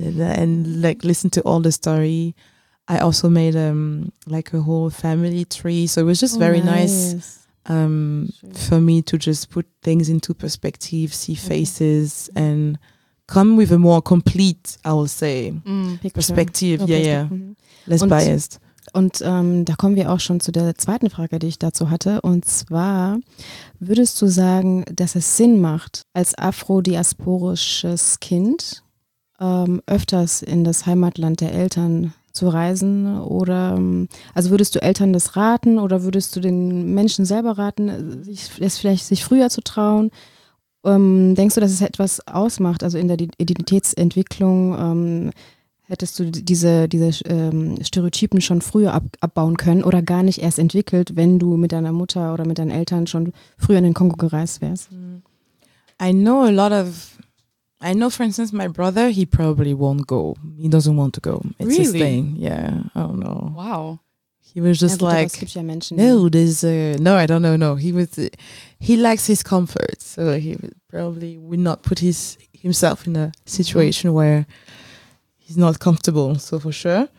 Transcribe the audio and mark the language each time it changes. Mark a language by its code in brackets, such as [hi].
[en] And like listen to all the story. I also made like a whole family tree. So it was just very nice for me to just put things into perspective, see faces and come with a more complete, I will say, perspective. Okay. Yeah, yeah. Mm-hmm. Less biased. [de] Und da kommen wir auch schon zu der zweiten Frage, die ich dazu hatte. Und zwar, würdest du sagen, dass es Sinn macht, als afrodiasporisches Kind öfters in das Heimatland der Eltern zu reisen? Oder also würdest du Eltern das raten oder würdest du den Menschen selber raten, sich vielleicht früher zu trauen? Denkst du, dass es etwas ausmacht, also in der Identitätsentwicklung? Hättest du diese Stereotypen schon früher abbauen können oder gar nicht erst entwickelt, wenn du mit deiner Mutter oder mit deinen Eltern schon früher in den Kongo gereist wärst? [en] I know, for instance, my brother, he probably won't go. He doesn't want to go. It's really? His thing. Yeah, I don't know. Wow. He was just like, [de] gibt's ja Menschen, [en] no, I don't know. He likes his comfort, so he probably would not put himself in a situation where he's not comfortable, so for sure.